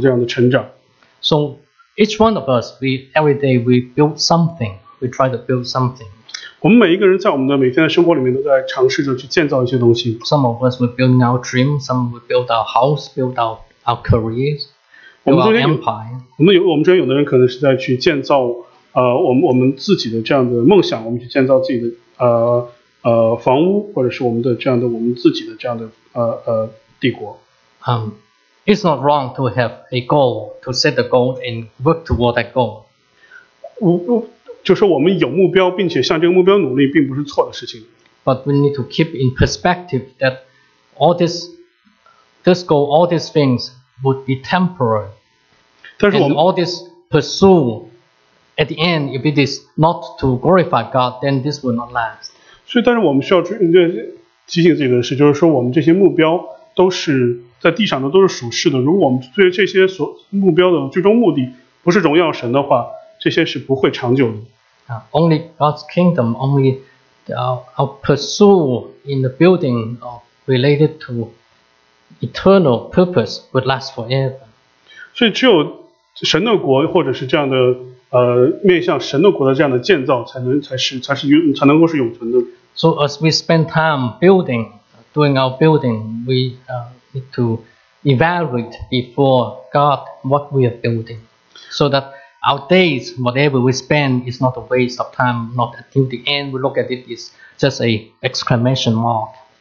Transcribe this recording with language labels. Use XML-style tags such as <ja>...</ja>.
<zh>所以这个也是就是在讲，就说属世的国度以及这样的从神而来的国度这样的成长。</zh> <en>So each one of us, every day we build something. We try to build something.</en> <zh>我们每一个人在我们的每天的生活里面都在尝试着去建造一些东西。</zh> <en>Some of us will build our dream. Some will build our house, build our careers, build our empire.</en> <zh>我们中间有的人可能是在去建造我们自己的这样的梦想，我们去建造自己的房屋，或者是我们的这样的我们自己的这样的帝国。</zh> <en>It's not wrong to have a goal, to set a goal and work toward that goal.</en> <zh>就是我们有目标并且向这个目标努力并不是错的事情。</zh> <en>But we need to keep in perspective that all this goal, all these things would be temporary.</en> <zh>但是我们</zh> <en>And all this pursue at the end, if it is not to glorify God, then this will not last.</en> <zh>所以但是我们需要提醒自己的是，就是说我们这些目标都是在地上的，都是属世的。如果我们对这些所目标的最终目的不是荣耀神的话，这些是不会长久的。</zh> <en>Only God's kingdom, only our pursuit in the building related to eternal purpose would last forever.</en> <zh>所以只有神的国或者是这样的面向神的国的这样的建造才能够是永存的。</zh> <en>So as we spend time building, doing our building, we need to evaluate before God what we are building, so that our days, whatever we spend, is not a waste of time, not until the end we look at it, it's just an exclamation mark.</en>